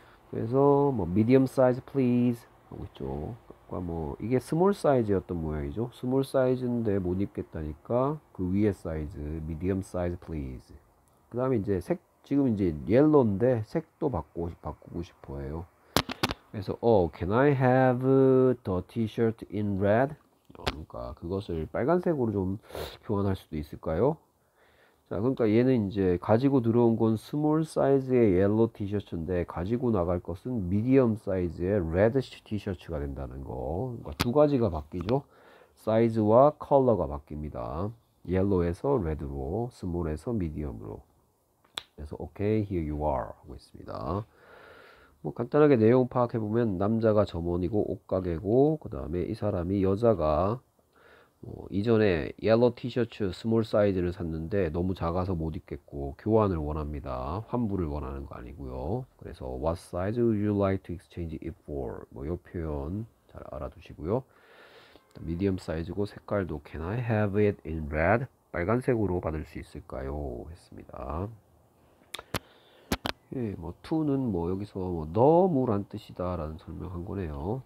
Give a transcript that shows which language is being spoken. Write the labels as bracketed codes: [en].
[ko] 그래서 뭐 [en] medium size please [ko] 하고 있죠. 뭐 이게 스몰 사이즈였던 모양이죠. 스몰 사이즈인데 못 입겠다니까 그 위에 사이즈, [en] medium size please. [ko] 그 다음에 이제 색, 지금 이제 옐로인데 색도 바꾸고 싶어요. 그래서 [en] can I have the t-shirt in red? [ko] 그러니까 그것을 빨간색으로 좀 교환할 수도 있을까요? 자, 그러니까 얘는 이제 가지고 들어온 건 스몰 사이즈의 옐로 티셔츠인데 가지고 나갈 것은 미디엄 사이즈의 레드 티셔츠가 된다는 거. 그러니까 두 가지가 바뀌죠. 사이즈와 컬러가 바뀝니다. 옐로에서 레드로, 스몰에서 미디엄으로. 그래서 오케이, [en] here you are [ko] 하고 있습니다. 뭐 간단하게 내용 파악해 보면 남자가 점원이고 옷가게고 그다음에 이 사람이 여자가 뭐, 이전에 옐로 티셔츠 스몰 사이즈를 샀는데 너무 작아서 못 입겠고 교환을 원합니다. 환불을 원하는 거 아니고요. 그래서 [en] What size would you like to exchange it for? [ko] 뭐 이 표현 잘 알아두시고요. 미디엄 사이즈고 색깔도 [en] Can I have it in red? [ko] 빨간색으로 받을 수 있을까요? 했습니다. 예, 뭐 to는 뭐 여기서 뭐 너무란 뜻이다라는 설명한 거네요.